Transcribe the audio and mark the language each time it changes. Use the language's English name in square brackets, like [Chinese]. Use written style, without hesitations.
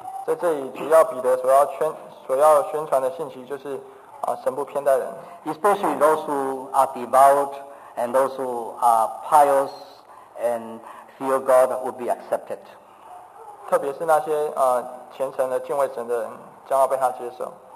[Chinese] 在这里，主要彼得所要宣传的信息就是。神不偏待人。 [English] Especially those who are devout and those who are pious and fear God would be accepted. [Chinese] 特别是那些虔诚的敬畏神的人将要被他接受。